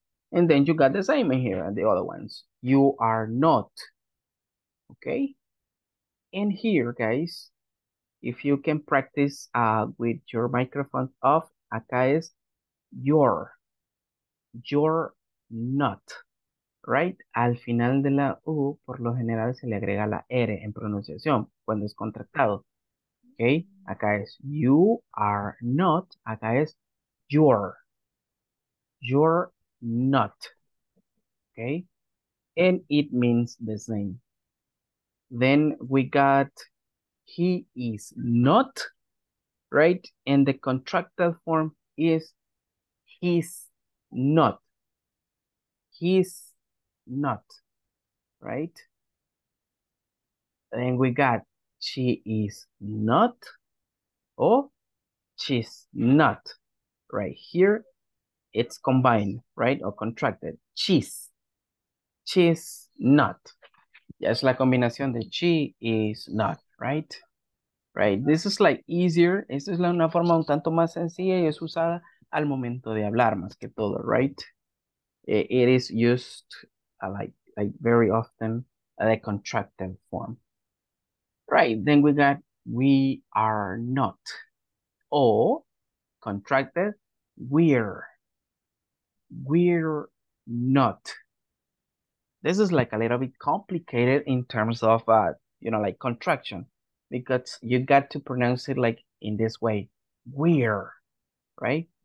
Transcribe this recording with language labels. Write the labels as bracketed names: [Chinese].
[English] And then you got the same here and the other ones. You are not. Okay? And here, guys, if you can practice with your microphone off, [Spanish] acá es [English] your. You're not. Right? [Spanish] Al final de la U, por lo general, se le agrega la R en pronunciación cuando es contractado. [English] Okay? [Spanish] Acá es [English] you are not. Acá es you're not, okay? And it means the same. Then we got he is not, right? And the contracted form is he's not. He's not, right? Then we got she is not, or she's not. Right here, it's combined, right? Or contracted. She's. She's not. [Spanish] Es la combinación de [English] she is not, right? Right. This is like easier. [Spanish] Esta es una forma un tanto más sencilla y es usada al momento de hablar más que todo, right? [English] It is used like very often the contracted form. Right, then we got we are not. Or contracted, we're. We're not. This is like a little bit complicated in terms of, you know, like contraction, because you got to pronounce it like in this way, we're, right?